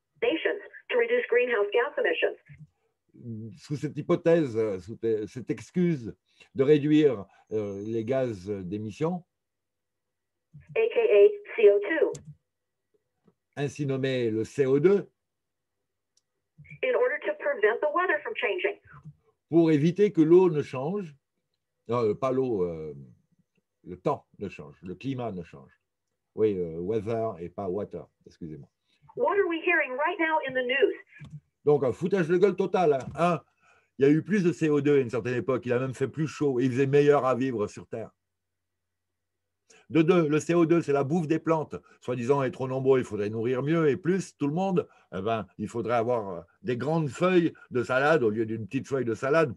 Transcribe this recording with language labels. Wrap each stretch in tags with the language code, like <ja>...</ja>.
<en>Nations, to reduce greenhouse gas emissions.</en> <fr>Sous cette hypothèse, sous cette excuse de réduire les gaz d'émission,</fr> <en>aka CO2.</en> <fr>ainsi nommé le CO2,</fr> <en>in order to prevent the weather from changing.</en> <fr>Pour éviter que l'eau ne change, pas l'eau, le temps ne change, le climat ne change. Oui, weather et pas water, excusez-moi.</fr> <en>What are we hearing right now in the news?</en> <fr>Donc, un foutage de gueule total. Hein. Il y a eu plus de CO2 à une certaine époque, il a même fait plus chaud, il faisait meilleur à vivre sur Terre. De deux, le CO2, c'est la bouffe des plantes. Soi-disant, est trop nombreux, il faudrait nourrir mieux et plus tout le monde. Eh ben, il faudrait avoir des grandes feuilles de salade au lieu d'une petite feuille de salade.</fr>